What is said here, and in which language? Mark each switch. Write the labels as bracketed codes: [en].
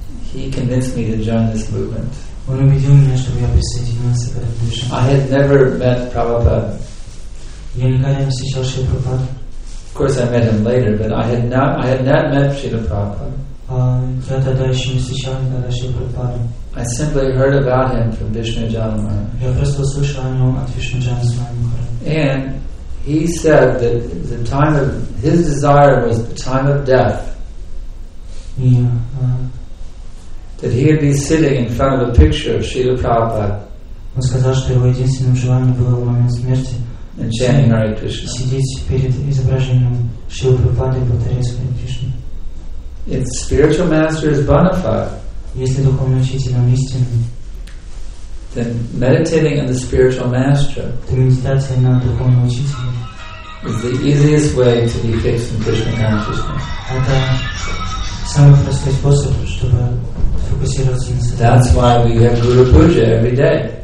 [en] He convinced me to join this movement. [ru] Он убедил меня, чтобы я присоединился к этому движению. [en] I had never met Prabhupada. [ru] Я никогда не встречал Шрила Прабхупаду. [en] Of course I met him later, but I had not met Шрила Прабхупада. [ru] Я тогда еще не встречал никогда Шрила Прабхупаду. [en] I simply heard about him from Vishnujana Maharaj. [ru] Я просто услышал о нем от Vishnujana Maharaj. [en] And he said that the time of his desire was the time of death. That he would be sitting in front of a picture of Srila Prabhupada. [ru] Он сказал, что его единственным желанием было в момент смерти [en] and chanting Hare Krishna. [ru] Сидеть перед изображением Шрилы Прабхупады и повторять Hare Krishna. [en] If the spiritual master is bona fide, [ru] если духовный учитель он истинный, [en] then meditating on the spiritual master, [ru] то медитация на духовном учителе, [en] is the easiest way to be fixed in Krishna consciousness. [ru] Это самый простой способ, чтобы фокусироваться на себе. [en] That's why we have Guru Puja every day.